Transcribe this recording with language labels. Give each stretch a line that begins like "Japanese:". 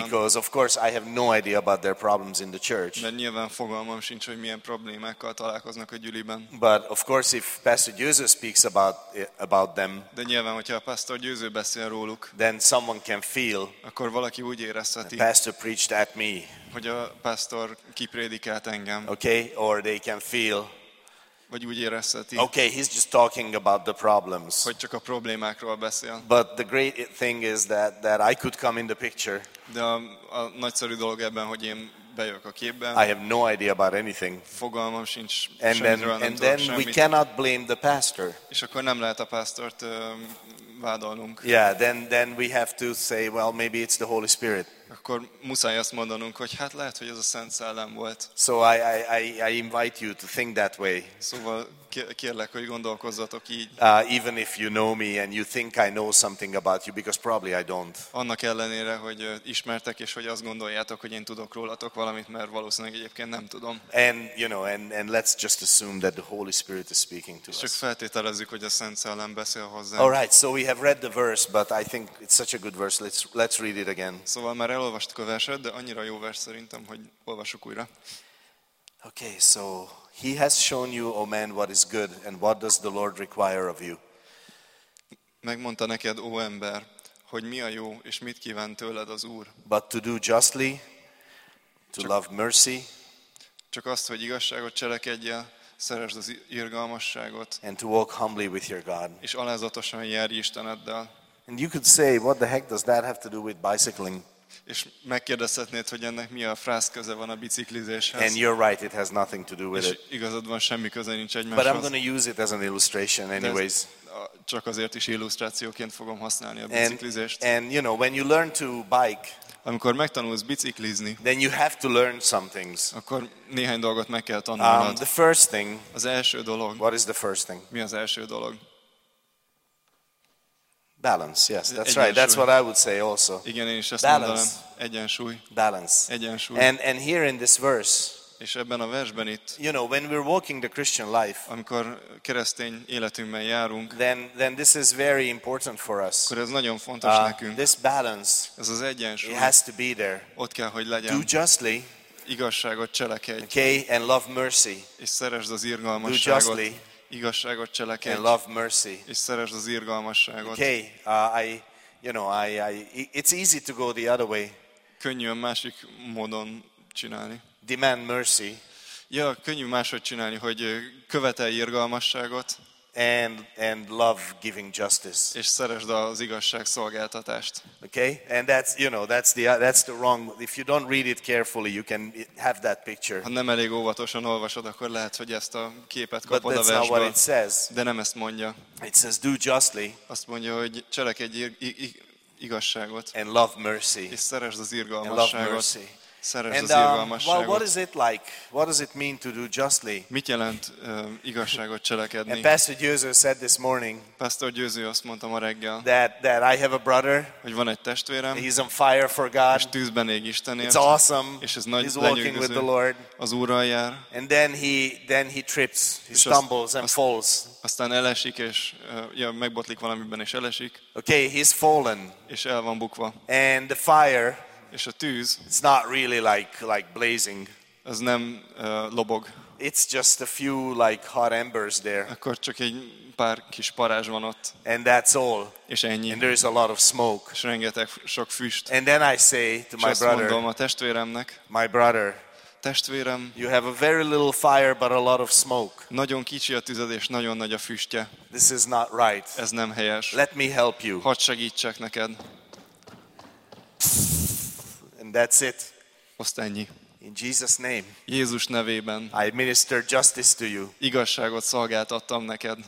English: Because of course I have no idea about their problems in the church.
Hungarian: Mert nyilván fogalmam sincs, hogy milyen problémákkal találkoznak a gyüliben.
English: But of course if Pastor Győző speaks about them.
Hungarian: De nyilván, hogyha a Pastor Győző beszél róluk.
English: Then someone can feel.
Hungarian: Akkor valaki úgy érezheti.
English: Pastor preached at me.
Hungarian: Hogy a pastor kiprédikált engem.
English: Okay, or they can feel.
Hungarian: Vagy úgy érezheti.
English: Okay, he's just talking about the problems.
Hungarian: Hogy csak a problémákról beszél.
English: But the great thing is that I could come in the picture.
Hungarian: De a nagyszerű dolog ebben, hogy én bejövök a képben.
English: I have no idea about anything.
Hungarian: Fogalmam sincs semmiről, nem tudok semmit.
English: And then we cannot blame the pastor.
Hungarian: És akkor nem lehet a pásztort vádolnunk.
English: Yeah, then we have to say, well, maybe it's the Holy Spirit.
Hungarian: Akkor muszáj azt mondanunk, hogy hát lehet, hogy ez a Szent Szellem volt.
English: So I invite you to think that way.
Hungarian: Szóval kérlek, hogy gondolkozzatok így.
English: Even if you know me and you think I know something about you, because probably I don't.
Hungarian: Annak ellenére, hogy ismertek és hogy azt gondoljátok, hogy én tudok rólatok valamit, mert valószínűleg egyébként nem tudom.
English: And you know, and let's just assume that the Holy Spirit is speaking to us.
Hungarian: Csak feltételezzük, hogy a Szent Szellem beszél hozzánk.
English: All right, so we have read the verse, but I think it's such a good verse. Let's read it again.
Hungarian: Szóval már elolvastuk a verset, de annyira jó vers szerintem, hogy olvassuk újra.
English: Okay, so he has shown you, O man, what is good, and what does the Lord require of you?
Hungarian: Megmondta neked, ó ember, hogy mi a jó, és mit kíván tőled az Úr.
English: But to do justly, to love mercy,
Hungarian: csak azt, hogy igazságot cselekedjél, szeresd az irgalmasságot,
English: and to walk humbly with your God.
Hungarian: És alázatosan járj Isteneddel.
English: And you could say, what the heck does that have to do with bicycling?
Hungarian: És megkérdezhetnéd, hogy ennek mi a frász köze van a biciklizéshez.
English: And you're right, it has nothing to do with it.
Hungarian: És igazad van, semmi köze nincs egymáshoz.
English: But I'm going to use it as an illustration anyways.
Hungarian: Csak azért is illusztrációként fogom használni a biciklizést.
English: And you know, when you learn to bike,
Hungarian: amikor megtanulsz biciklizni,
English: then you have to learn some things.
Hungarian: Akkor néhány dolgot meg kell tanulnod.
English: The first thing,
Hungarian: az első dolog,
English: what is the first thing?
Hungarian: Mi az első dolog?
English: Balance, yes, that's right. That's what I would say also.
Hungarian: Igen, én is ezt mondanám. Egyensúly.
English: Balance.
Hungarian: Egyensúly.
English: And here in this verse,
Hungarian: és ebben a versben itt,
English: you know, when we're walking the Christian life,
Hungarian: amikor keresztény életünkben járunk,
English: then this is very important for us.
Hungarian: Akkor ez nagyon fontos nekünk.
English: This balance,
Hungarian: ez az egyensúly,
English: it has to be there.
Hungarian: Ott kell, hogy legyen.
English: Do justly,
Hungarian: igazságot cselekedj.
English: Okay, and love mercy.
Hungarian: És szeresd az irgalmasságot.
English: Do justly.
Hungarian: Igazságot cselekedj.
English: And love mercy.
Hungarian: És szeresd az irgalmasságot.
English: Okay, it's easy to go the other way.
Hungarian: Könnyű a másik módon csinálni.
English: Demand mercy.
Hungarian: Ja, könnyű máshogy csinálni, hogy követelj irgalmasságot.
English: And love giving justice.
Hungarian: És szeresd az igazság szolgáltatást.
English: Okay, and that's that's the wrong. If you don't read it carefully, you can have that picture.
Hungarian: Ha nem elég óvatosan olvasod, akkor lehet, hogy ezt a képet kapod.
English: But that's a not what it says.
Hungarian: De nem ezt mondja.
English: It says do justly.
Hungarian: Azt mondja, hogy cselekedj igazságot.
English: And love mercy.
Hungarian: És szeresd az irgalmasságot.
English: And love mercy.
Hungarian: Szeresd
English: and well, what is it like? What does it mean to do justly?
Hungarian: Mit jelent igazságot cselekedni?
English: And Pastor Győző said this morning.
Hungarian: Pastor Győző azt mondta ma reggel.
English: That I have a brother.
Hungarian: Hogy van egy testvérem.
English: He's on fire for God.
Hungarian: És tűzben ég Istenért.
English: It's awesome.
Hungarian: És ez nagy lenyűgöző.
English: He's walking with the Lord.
Hungarian: Az Úrral jár.
English: And then he trips. He stumbles and falls.
Hungarian: Aztán elesik és megbotlik valamiben és elesik.
English: Okay, he's fallen.
Hungarian: És el van bukva.
English: And the fire.
Hungarian: És a tűz,
English: it's not really like blazing.
Hungarian: Az nem lobog.
English: It's just a few like hot embers there.
Hungarian: Akkor csak egy pár kis parázs van ott.
English: And that's all.
Hungarian: És ennyi.
English: And there is a lot of smoke.
Hungarian: És rengeteg sok füst.
English: And then I say to
Hungarian: és
English: my brother.
Hungarian: Mondom a testvéremnek.
English: My brother.
Hungarian: Testvérem.
English: You have a very little fire but a lot of smoke.
Hungarian: Nagyon kicsi a tüzed és nagyon nagy a füstje.
English: This is not right.
Hungarian: Ez nem helyes.
English: Let me help you.
Hungarian: Hadd segítsek neked.
English: And that's it.
Hungarian: Azt ennyi.
English: In Jesus name.
Hungarian: Jézus nevében.
English: I administer justice to you.
Hungarian: Igazságot szolgáltattam neked.